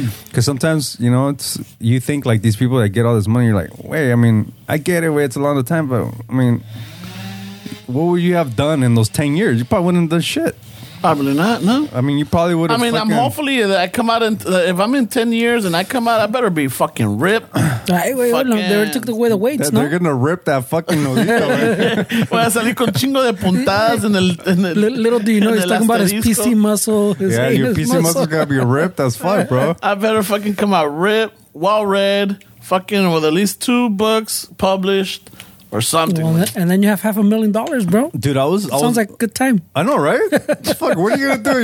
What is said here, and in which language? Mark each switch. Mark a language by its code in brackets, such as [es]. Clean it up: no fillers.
[en] Because sometimes, you know, you think like these people that get all this money, you're like, wait, I mean, I get it, wait, it's a lot of time, but I mean, what would you have done in those 10 years? You probably wouldn't have done shit. Probably not, no. I mean, you probably would have. I mean, fucking... I'm hopefully, I come out, if I'm in 10 years and I come out, I better be fucking ripped. They already took away the weights, no? They're going to rip that fucking nodito. [es] Voy a salir con chingo de puntadas en el... [en] Little do you know, he's talking about his PC muscle. Your PC muscle got to be ripped as fuck, bro. I better fucking come out ripped, well-read, fucking with at least 2 books published. Or something. Well, and then you have $500,000, bro. Dude, sounds like a good time. I know, right? Fuck, what are you going to do?